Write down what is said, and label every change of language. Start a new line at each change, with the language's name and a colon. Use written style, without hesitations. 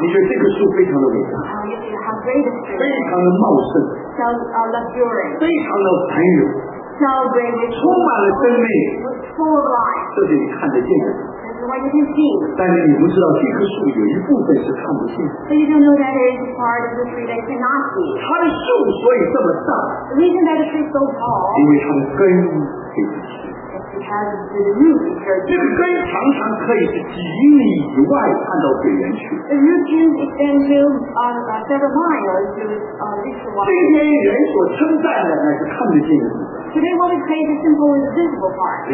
Chinese: 你觉得这个树非常的伟大
English: You see how great it is.
Chinese: 非常的茂盛
English: So luxurious.
Chinese: 非常的繁荣
English: So great.
Chinese: 充满了生命
English: Full of life.
Chinese: 这是你看得见的
English: What you can see.
Chinese: 但是你不知道这棵树有一部分是看不见。
English: But you don't know that there is a part of the tree that cannot see.
Chinese: 它的树所以这么大。
English: The reason that the tree is so tall.
Chinese: 因为它的根可以支撑。
English: Because the root is very tall.
Chinese: 这个根常常可以是几米以外看到水源去。
English: The root can extend several miles to reach the water.
Chinese: 今天人所称赞的那是看得见的。
English: Today what is praised is simple and visible part.